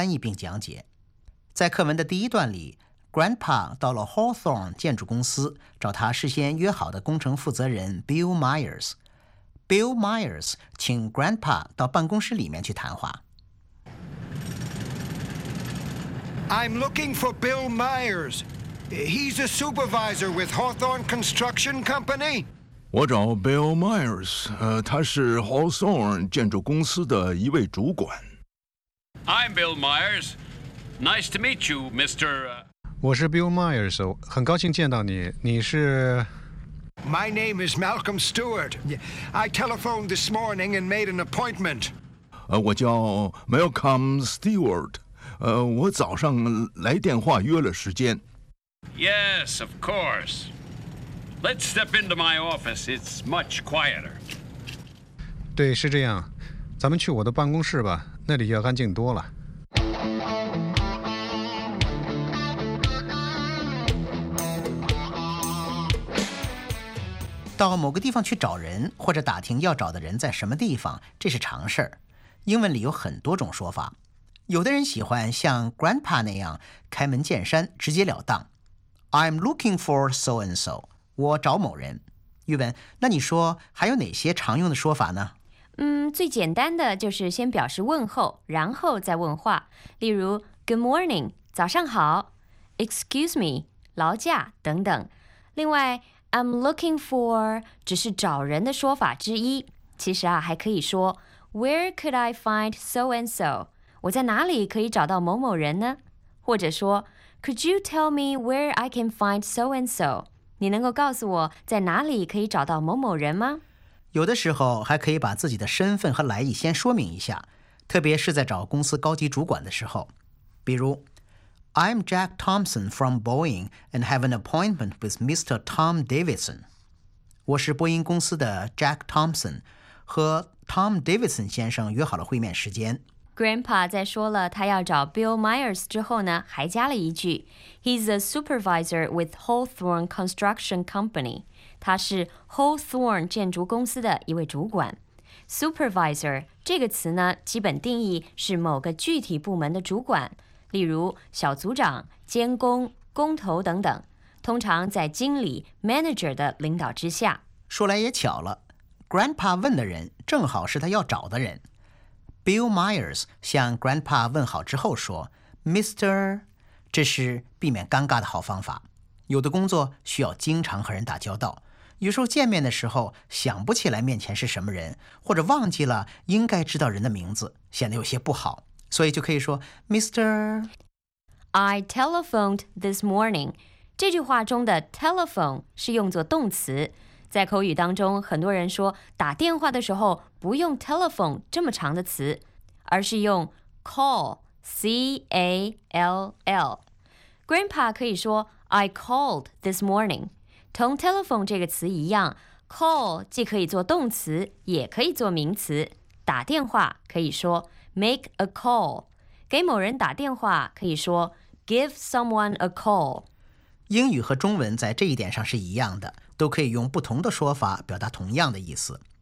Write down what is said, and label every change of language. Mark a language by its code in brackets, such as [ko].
[zh] 刚才我们听的是这次课文的英文全文，接下来我们分段翻译并讲解。在课文的第一段里， Grandpa 到了 Hawthorne 建筑公司找他事先约好的工程负责人 Bill Myers。 Bill Myers 请 Grandpa 到办公室里面去谈话。 [en] I'm looking for Bill Myers. He's a supervisor with Hawthorne Construction Company. [zh] 我找 Bill Myers， 他是 Hawthorne 建筑公司的一位主管。I'm [en] Bill Myers. Nice to meet you, Mr. [zh] 我是 Bill Myers， 很高兴见到你。你是？ [en] My name is Malcolm Stewart. I telephoned this morning and made an appointment. [zh] 我叫 Malcolm Stewart。我早上来电话约了时间。 [en] Yes, of course. Let's step into my office. It's much quieter. [zh] 对，是这样。咱们去我的办公室吧，那里要干净多了。到某个地方去找人，或者打听要找的人在什么地方，这是常事儿。英文里有很多种说法。有的人喜欢像 Grandpa 那样开门见山，直截了当。 [en] I'm looking for so and so， [zh] 我找某人。玉文，那你说还有哪些常用的说法呢？最简单的就是先表示问候，然后再问话。例如 [en] Good morning， [zh] 早上好 ； [en] Excuse me， [zh] 劳驾等等。另外 ，I'm looking for 只是找人的说法之一。其实啊，还可以说 [en] Where could I find so and so？ [zh] 我在哪里可以找到某某人呢？或者说 [en] ，Could you tell me where I can find so and so？ [zh] 你能够告诉我在哪里可以找到某某人吗？有的时候还可以把自己的身份和来意先说明一下，特别是在找公司高级主管的时候。 [en] 比如 ，I'm Jack Thompson from Boeing and have an appointment with Mr. Tom Davidson。 [zh] 我是波音公司的 Jack Thompson， 和 Tom Davidson 先生约好了会面时间。 Grandpa 在说了他要找 Bill Myers 之后呢，还加了一句 [en] He's a supervisor with Hawthorne Construction Company. [zh] 他是 Hawthorne 建筑公司的一位主管。 Supervisor 这个词呢，基本定义是某个具体部门的主管，例如小组长、监工、工头等等，通常在经理 manager 的领导之下。说来也巧了， Grandpa 问的人正好是他要找的人。 Bill Myers 向 Grandpa 问好之后说 Mr. 这是避免尴尬的好方法。有的工作需要经常和人打交道，有时候见面的时候想不起来面前是什么人，或者忘记了应该知道人的名字，显得有些不好，所以就可以说 Mr. [en] I telephoned this morning。 [zh] 这句话中的 telephone 是用作动词，在口语当中，很多人说打电话的时候不用 telephone 这么长的词，而是用 call， C-A-L-L。 Grandpa 可以说 [en] I called this morning。 [zh] 同 telephone 这个词一样， call 既可以做动词也可以做名词。打电话可以说 [en] make a call， [zh] 给某人打电话可以说 [en] give someone a call。 [zh] 英语和中文在这一点上是一样的，都可以用不同的说法表达同样的意思。